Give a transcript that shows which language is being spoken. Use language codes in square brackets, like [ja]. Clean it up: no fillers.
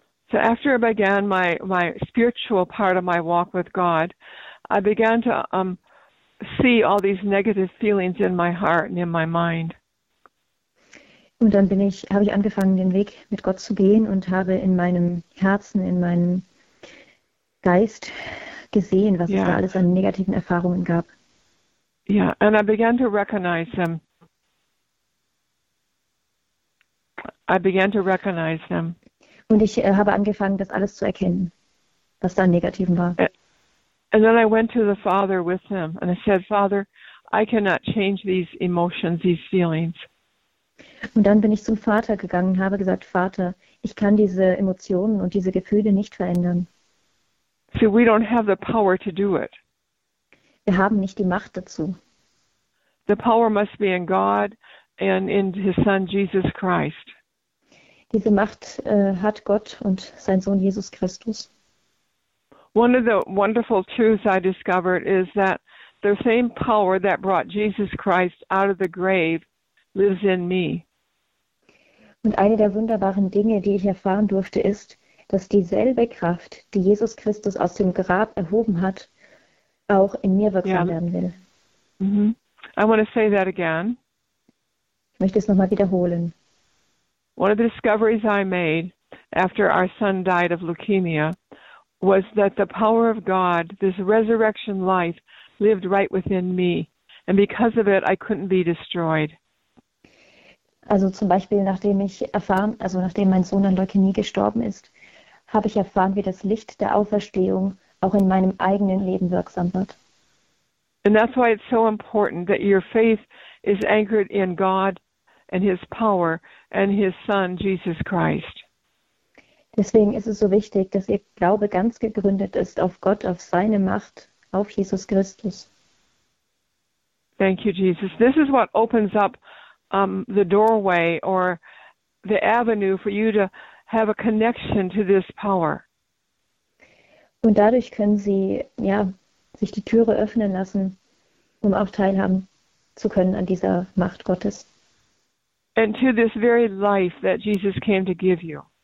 [en] So after I began my spiritual part of my walk with God, I began to see all these negative feelings in my heart and in my mind. [de] Und dann habe ich angefangen, den Weg mit Gott zu gehen und habe in meinem Herzen, in meinem Geist gesehen, was es da alles an negativen Erfahrungen gab. [en] Yeah, and I began to recognize them. I began to recognize them. [de] Und ich habe angefangen, das alles zu erkennen, was da an negativen war. [en] And then I went to the Father with them and I said, Father, I cannot change these emotions, these feelings. [de] Und dann bin ich zum Vater gegangen und habe gesagt, Vater, ich kann diese Emotionen und diese Gefühle nicht verändern. [en] So we don't have the power to do it. [de] Wir haben nicht die Macht dazu. [en] The power must be in God and in his son Jesus Christ. [de] Diese Macht hat Gott und sein Sohn Jesus Christus. [en] One of the wonderful truths I discovered is that the same power that brought Jesus Christ out of the grave lives in me. [de] Und eine der wunderbaren Dinge, die ich erfahren durfte, ist, dass dieselbe Kraft, die Jesus Christus aus dem Grab erhoben hat, auch in mir wirksam werden will. [en] I want to say that again. [de] Ich möchte es nochmal wiederholen. [en] One of the discoveries I made after our son died of leukemia was that the power of God, this resurrection life, lived right within me. And because of it, I couldn't be destroyed. [de] Also zum Beispiel, nachdem mein Sohn an Leukämie gestorben ist, habe ich erfahren, wie das Licht der Auferstehung auch in meinem eigenen Leben wirksam wird. [en] And that's why it's so important that your faith is anchored in God and his power and his son Jesus Christ. [de] Deswegen ist es so wichtig, dass ihr Glaube ganz gegründet ist auf Gott, auf seine Macht, auf Jesus Christus. [en] Thank you, Jesus. This is what opens up the doorway or the avenue for you to have a connection to this power. [de] Und dadurch können sie ja sich die Türe öffnen lassen, um auch teilhaben zu können an dieser Macht Gottes. [en] And to this very life that Jesus came to give you.